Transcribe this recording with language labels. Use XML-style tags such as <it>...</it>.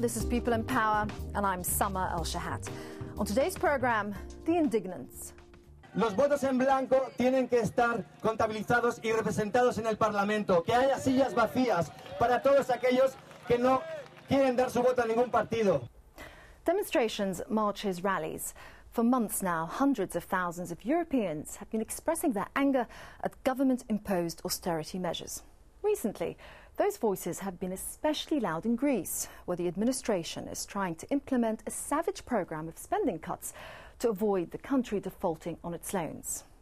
<en>This is People in Power, and I'm Summer El-Shahat. On today's program, the Indignants.</en> <es>Los votos en blanco tienen que estar contabilizados y representados en el Parlamento. Que haya sillas vacías para todos aquellos que no quieren dar su voto a ningún partido.</es> <en>Demonstrations, marches, rallies. For months now, hundreds of thousands of Europeans have been expressing their anger at government-imposed austerity measures. Recently, those voices have been especially loud in Greece, where the administration is trying to implement a savage program of spending cuts to avoid the country defaulting on its loans.</en>